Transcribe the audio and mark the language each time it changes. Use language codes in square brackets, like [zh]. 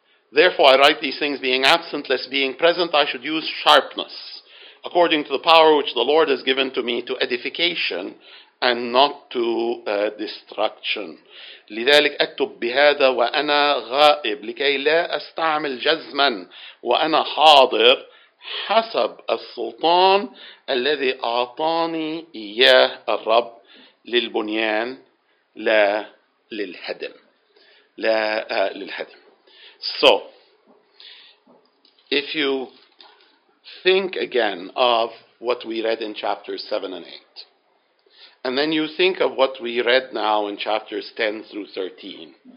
[en] Therefore, I write these things being absent, lest being present I should use sharpness, according to the power which the Lord has given to me to edification and not to destruction. [ar] لذلك أكتب بهذا وأنا غائب لكي لا أستعمل جزما وأنا حاضر حسب السلطان الذي أعطاني إياه الرب للبنيان لا للهدم. لا للهدم. [en] So, if you think again of what we read in chapters 7 and 8. And then you think of what we read now in chapters 10 through 13.